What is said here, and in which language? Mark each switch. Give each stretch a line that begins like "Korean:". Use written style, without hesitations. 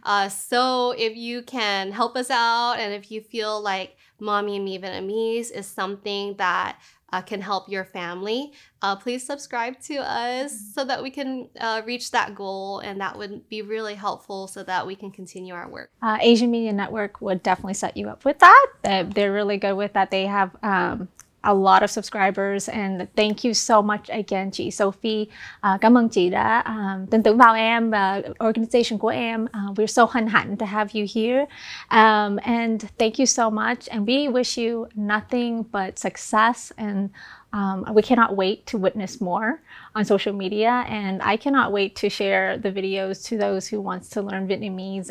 English: So if you can help us out, and if you feel like Mommy and Me Vietnamese is something that can help your family, please subscribe to us so that we can reach that goal. And that would be really helpful so that we can continue our work. Asian Media Network would definitely set you up with that. They're really good with that. They have a lot of subscribers. And thank you so much again, Chị Sophie.
Vietnamese: Cảm ơn chị đã tin tưởng vào em,
English: organization
Vietnamese: của em.
English: We're so
Vietnamese: hân hạnh
English: to have you here. And thank you so much. And we wish you nothing but success. And we cannot wait to witness more on social media. And I cannot wait to share the videos to those who wants to learn Vietnamese.